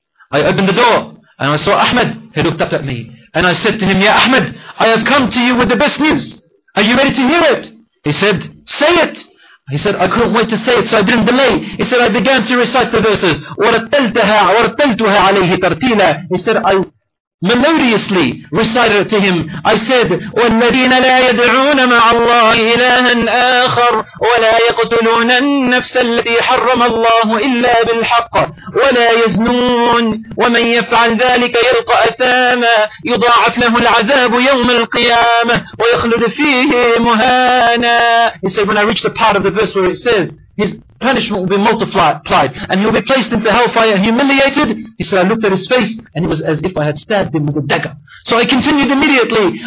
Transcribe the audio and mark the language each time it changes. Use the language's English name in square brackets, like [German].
[English] I opened the door and I saw Ahmed. He looked up at me. And I said to him, Ya Ahmed, I have come to you with the best news. Are you ready to hear it? He said, say it. He said, I couldn't wait to say it, so I didn't delay. He said, I began to recite the verses. [Arabic] وَرَتَّلْتَهَا وَرَتَّلْتُهَا عَلَيْهِ تَرْتِيلًا [English] He said, I melodiously recited it to him. I said, [Arabic] وَالَّذِينَ لَا يَدْعُونَ مَعَ اللَّهِ إِلَٰهًا آخَرٌ وَلَا يَقْتُلُونَ النَّفْسَ الَّذِي حَرَّمَ اللَّهُ إِلَّا بِالْحَقِّ وَلَا يَزْنُونَ وَمَنْ يَفْعَلْ ذَلِكَ يَلْقَ أَثَامًا يُضَاعَفْ لَهُ الْعَذَابُ يَوْمَ الْقِيَامَةِ وَيَخْلُدْ فِيهِ مُهَانًا [English] He said, when I reach the part of the verse where it says, his punishment will be multiplied and he'll be placed into hellfire humiliated. He said, I looked at his face and it was as if I had stabbed him with a dagger. So I continued immediately.